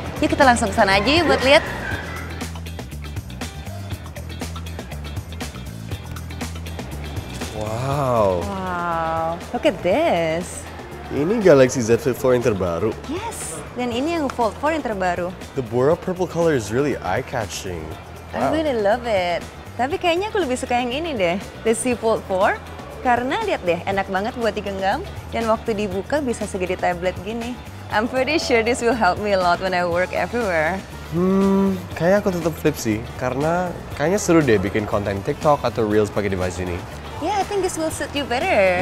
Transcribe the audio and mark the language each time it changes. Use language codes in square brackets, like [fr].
[id] Yuk kita langsung kesana aja yuk buat lihat. Wow. [en] Wow. Look at this. [id] Ini Galaxy Z Flip 4 yang terbaru. [en] Yes. [id] Dan ini yang Fold 4 yang terbaru. [en] The Bora purple color is really eye-catching. Wow. I really love it. [id] Tapi kayaknya aku lebih suka yang ini deh, the Z Fold 4. Karena lihat deh, enak banget buat digenggam dan waktu dibuka bisa segede tablet gini. [en] I'm pretty sure this will help me a lot when I work everywhere. [id] Kayaknya aku tetap flip sih, karena kayaknya seru deh bikin konten TikTok atau Reels pakai device ini. [en] Yeah, I think this will suit you better.